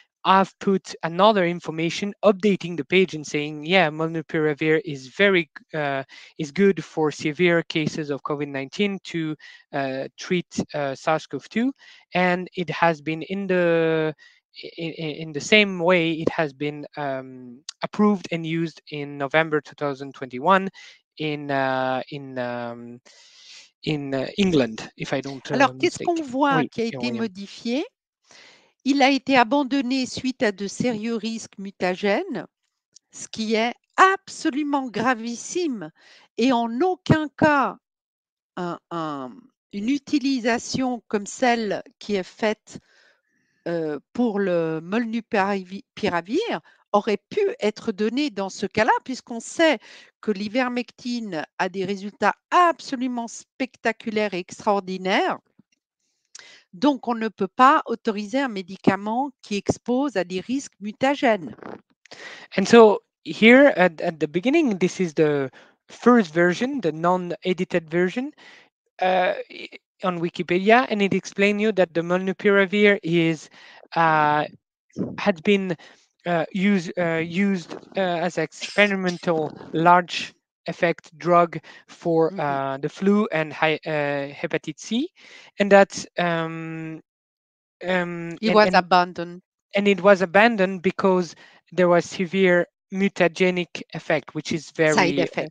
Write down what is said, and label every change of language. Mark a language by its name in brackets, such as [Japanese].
[English] I've put another information updating the page and saying, yeah, molnupiravir is is good for severe cases of COVID-19 to treat SARS-CoV-2. And it has been in the same way, it has been approved and used in November 2021 in England, if I don't [French] Alors, qu'est-ce qu'on voit qui a été modifié? Il a été abandonné suite à de sérieux risques mutagènes, ce qui est absolument gravissime et en aucun cas une utilisation comme celle qui est faite pour le molnupiravir aurait pu être donnée dans ce cas-là, puisqu'on sait que l'ivermectine a des résultats absolument spectaculaires et extraordinaires. Donc, on ne peut pas autoriser un médicament qui expose à des risques mutagènes. [English] And so, here at the beginning, this is the first version, the non-edited version on Wikipedia, and it explains you that the molnupiravir is had been used as experimental large effect drug for the flu and hepatitis C, and that it was abandoned because there was severe mutagenic effect, which is very